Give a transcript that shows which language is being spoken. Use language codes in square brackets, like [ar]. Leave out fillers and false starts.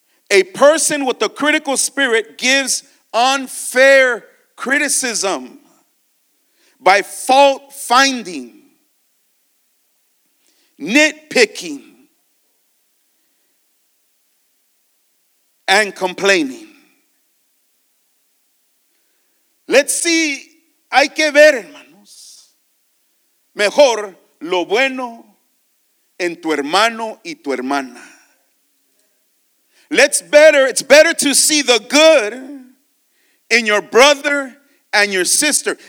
[en] A person with a critical spirit gives unfair criticism by fault finding, nitpicking, and complaining. Let's see, [es] hay que ver, hermanos, mejor lo bueno en tu hermano y tu hermana. [en] It's better to see the good in your brother and your sister.